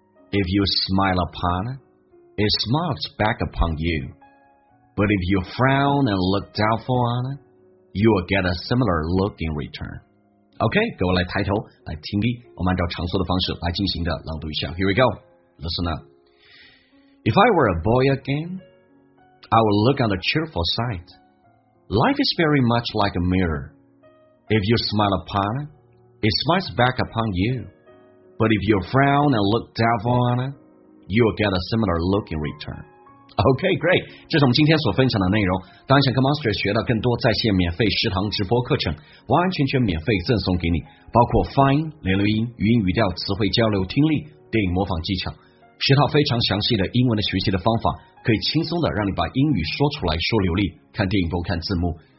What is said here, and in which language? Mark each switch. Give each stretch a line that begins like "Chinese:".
English: If you smile upon it, it smiles back upon you. But if you frown and look doubtful on it, you will get a similar look in return.
Chinese: OK, 各位来抬头来听力，我们按照常说的方式来进行的朗读一下。
English: Here we go, listen up. If I were a boy again, I would look on the cheerful side. Life is very much like a mirror. If you smile upon it, it smiles back upon you. But if you frown and look doubtful on it, you will get a similar look in return. OK, great,
Chinese: 这是我们今天所分享的内容。当然想跟 Monster 学到更多在线免费食堂直播课程，完全全免费赠送给你，包括发音、连读音、语音语调、词汇交流、听力、电影模仿技巧，十套非常详细的英文的学习的方法，可以轻松的让你把英语说出来说流利，看电影不看字幕。